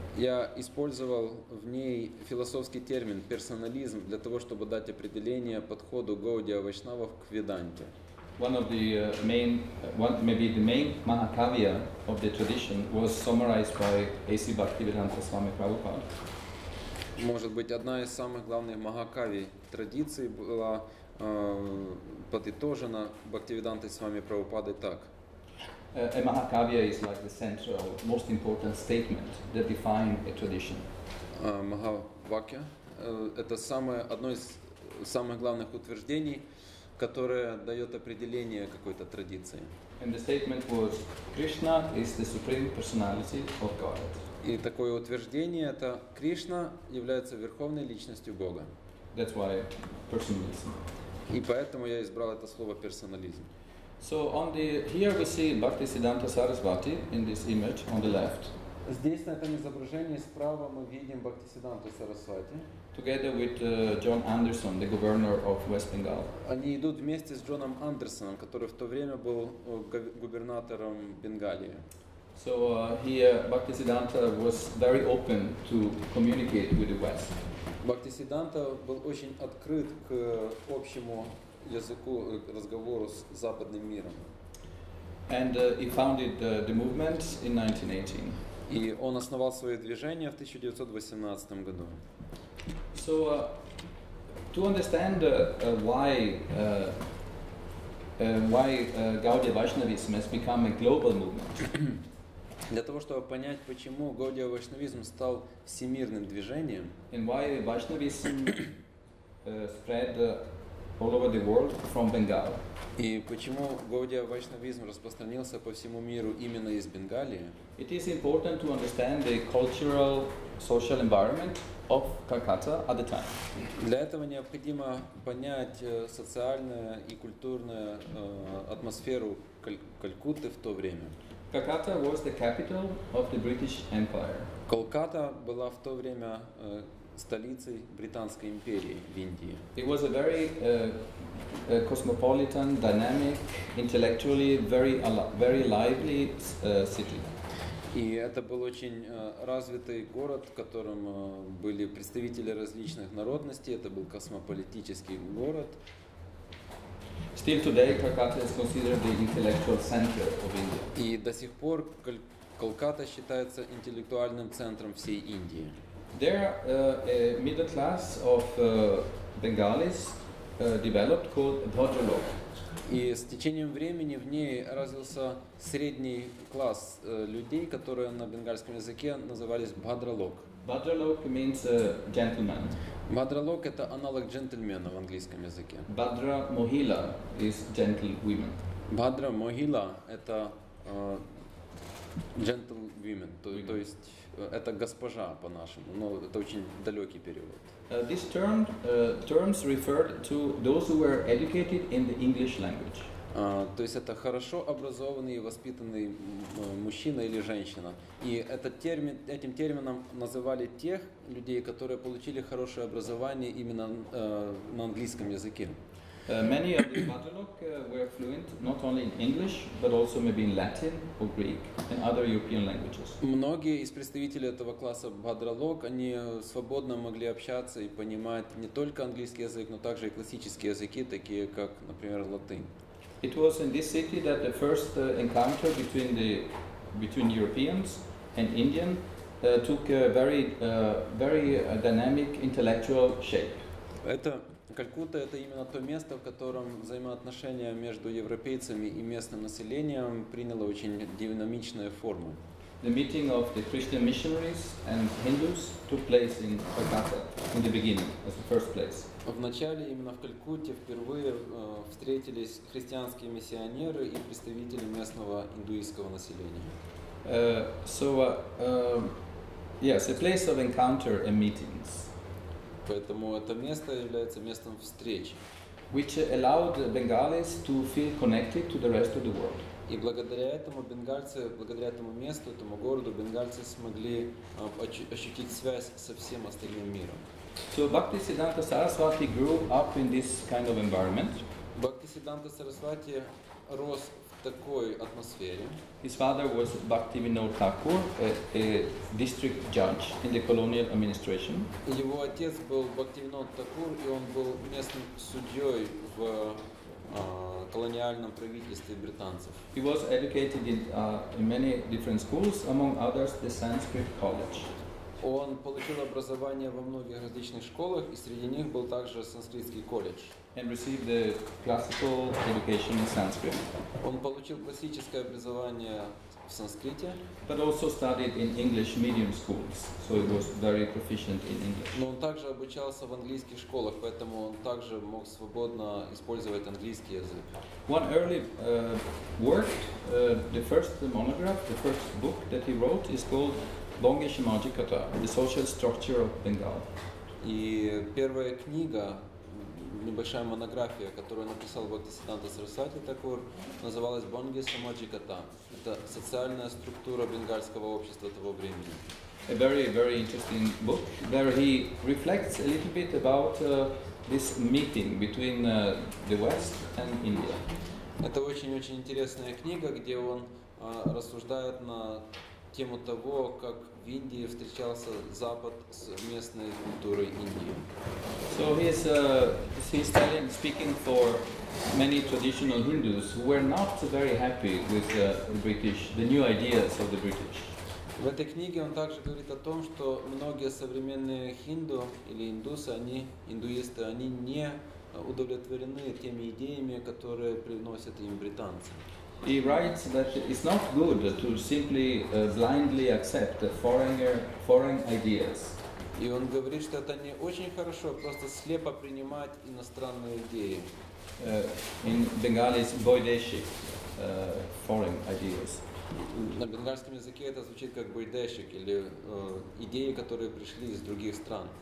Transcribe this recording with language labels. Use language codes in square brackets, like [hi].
[ru] Я использовал в ней философский термин «персонализм» для того, чтобы дать определение подходу Гаудия Вайшнавов к Веданте. [en] One of the main, one maybe the main Mahakavya of the tradition was summarized by A.C. Bhaktivedanta Swami Prabhupada. [ru] Может быть, одна из самых главных Mahakavi традиции была подытожена Бхактивидантой Свами Прабхупадой так. [en] A Mahakavya is like the central, most important statement that defines a tradition. [ru] Mahavakya это самое одно из самых главных утверждений, которое дает определение какой-то традиции. [en] And the statement was, Krishna is the supreme personality of God. [ru] И такое утверждение — это Кришна является верховной личностью Бога. [en] That's why personalism. [ru] И поэтому я избрал это слово персонализм. [en] So on the here we see Bhaktisiddhanta Sarasvati in this image on the left. [ru] Здесь на этом изображении справа мы видим Бхактисиддханту Сарасвати. [en] Together with John Anderson, the governor of West Bengal. [ru] Они идут вместе с Джоном Андерсоном, который в то время был губернатором Бенгалии. [en] So here Bhaktisiddhanta was very open to communicate with the West. [ru] Бхактисиддханта был очень открыт к общему языку разговору с западным миром. [en] And he founded the movement in 1918. [ru] И он основал свое движение в 1918 году. [en] So to understand why Gaudiya Vaishnavism has become a global movement. [ru] Для того, чтобы понять, почему Гаудия Вайшнавизм стал всемирным движением. [en] And why Vaishnavism spread all over the world from Bengal. [ru] И почему Гаудия Вайшнавизм распространился по всему миру именно из Бенгалии? [en] It is important to understand the cultural, social environment of Calcutta at the time. [ru] Для этого необходимо понять социальную и культурную атмосферу Калькутты в то время. [en] Calcutta was the capital of the British Empire. [ru] Калькутта была в то время столицей Британской империи в Индии. [en] It was a very cosmopolitan, dynamic, intellectually very lively city. [ru] И это был очень развитый город, в котором были представители различных народностей. Это был космополитический город. [en] Still today, Calcutta is considered the intellectual center of India. [ru] И до сих пор Калькутта считается интеллектуальным центром всей Индии. [en] There a middle class of Bengalis developed called Bhadralok. [ru] И с течением времени в ней развился средний класс людей, которые на бенгальском языке назывались Бхадралок. [en] Бхадралок means gentleman. [ru] Бхадралок это аналог джентльмена в английском языке. [en] Бхадра Мохила is gentle women. [ru] Бхадра Мохила это [en] gentle women, [ru] то есть это госпожа по-нашему, но это очень далекий перевод. [en] These terms referred to those who were educated in the English language. [ru] То есть это хорошо образованный и воспитанный мужчина или женщина. И этим термином называли тех людей, которые получили хорошее образование именно на английском языке. [en] Many of the Bhadralok were fluent not only in English, but also maybe in Latin or Greek and other European languages. [ru] Многие из представителей этого класса Бхадралок, они свободно могли общаться и понимать не только английский язык, но также и классические языки, такие как, например, латынь. [en] It was in this city that the first encounter between Europeans and Indian took a very dynamic intellectual shape. [ru] Калькутта – это именно то место, в котором взаимоотношения между европейцами и местным населением приняло очень динамичную форму. [en] The meeting of the Christian missionaries and Hindus took place in Calcutta in the beginning, as the first place. [ru] В начале именно в Калькутте впервые встретились христианские миссионеры и представители местного индуистского населения. [en] So, a place of encounter and meetings. [ru] Поэтому это место является местом встреч, [en] which allowed Bengalis to feel connected to the rest of the world. [ru] И благодаря этому бенгальцы, благодаря этому месту, этому городу, бенгальцы смогли ощутить связь со всем остальным миром. [en] So Bhaktisiddhanta Saraswati grew up in this kind of environment. [ru] Bhaktisiddhanta Saraswati рос в такой атмосфере. [en] His father was Bhaktivinod Thakur, a district judge in the colonial administration. [ru] Его отец был Бхактивинод Такур, и он был местным судьей в колониальном правительстве британцев. [en] He was educated in many different schools, among others the Sanskrit college. [ru] Он получил образование во многих различных школах, и среди них был также санскритский колледж. [en] And received the classical education in Sanskrit. [ru] Он получил классическое образование в санскрите. [en] But also studied in English medium schools, so he was very proficient in English. [ru] Но он также обучался в английских школах, поэтому он также мог свободно использовать английский язык. [en] One early work, the first monograph, the first book that he wrote is called Longish Magikata, The Social Structure of Bengal. [ru] И первая книга, небольшая монография, которую написал Бхактисиддханта Сарасвати Такур, называлась Бонги Самаджиката. Это социальная структура бенгальского общества того времени. [en] A very, very interesting book, where he reflects a little bit about this meeting between the West and India. [ru] Это очень-очень интересная книга, где он рассуждает на тему того, как в Индии встречался Запад с местной культурой Индии. [en] So he's telling, speaking for many traditional Hindus who were not very happy with the new ideas of the British. [ru] В этой книге он также говорит о том, что многие современные хинду или индусы, они индуисты, они не удовлетворены теми идеями, которые приносят им британцы. [en] He writes that it's not good to simply blindly accept foreign ideas. [ru] И он говорит, что это не очень хорошо просто слепо принимать иностранные идеи. [en] In Bengali is boydeshik, foreign ideas. [ru] На бенгальском языке это звучит как бойдешик или идеи, которые пришли из других стран.